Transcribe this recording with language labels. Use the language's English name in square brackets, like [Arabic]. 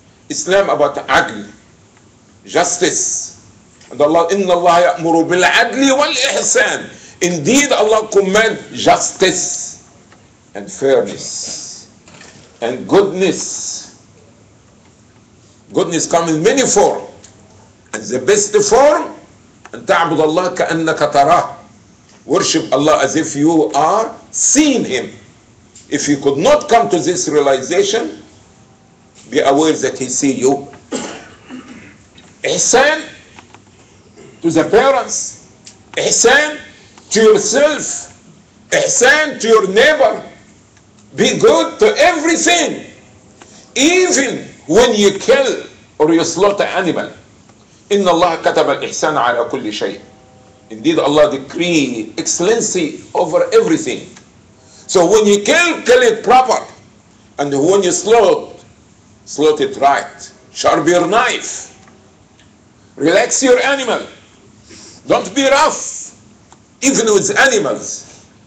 [English] Islam about adl, justice. And Allah, inna Allah ya'muru bil adli wal ihsan. Indeed, Allah commands justice and fairness and goodness. Goodness comes in many forms. And the best form, [Arabic] أن تعبد الله كأنك تراه. [English] Worship Allah as if you are seeing Him. If you could not come to this realization, be aware that He sees you. Ihsan to the parents. Ihsan to yourself. Ihsan to your neighbor. Be good to everything. Even when you kill or you slaughter animal. [Arabic] إن الله كتب الإحسان على كل شيء. [English] Indeed, Allah decree excellency over everything. So when you kill it proper, and when you slaughter it right, sharp your knife, relax your animal, don't be rough, even with animals.